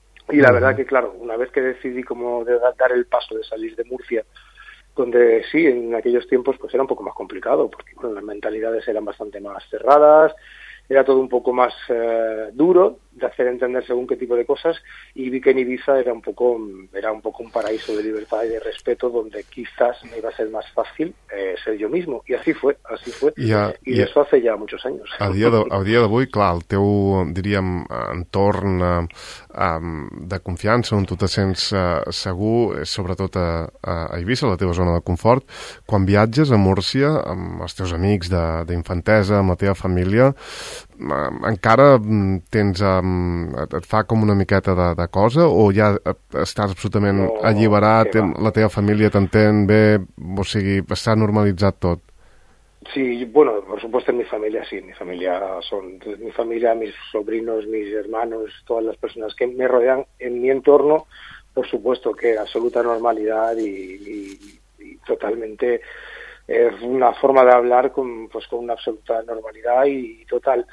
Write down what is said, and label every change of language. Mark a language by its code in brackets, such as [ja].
[es] Y la verdad que, claro, una vez que decidí como de dar el paso de salir de Murcia, donde sí, en aquellos tiempos pues era un poco más complicado, porque bueno, las mentalidades eran bastante más cerradas, era todo un poco más duro de hacer entender según qué tipo de cosas, y vi que en Ibiza era un poco un paraíso de libertad y de respeto donde quizás me iba a ser más fácil ser yo mismo, y así fue, y eso hace ya muchos años. [ca] A dia d'avui, clar, el teu, diríem, entorn de confiança on tu te sents segur, sobretot a Ibiza, la teva zona de confort, quan viatges a Múrcia amb els teus amics d'infantesa, amb la teva família, encara tens et fa com una miqueta de cosa, o ja estàs absolutament alliberat, la teva família t'entén bé, o sigui, s'ha normalitzat tot? [es] Sí, bueno, por supuesto, en mi familia sí, mi familia, mis sobrinos, mis hermanos, todas las personas que me rodean en mi entorno, por supuesto que absoluta normalidad y totalmente es una forma de hablar con una absoluta normalidad y total.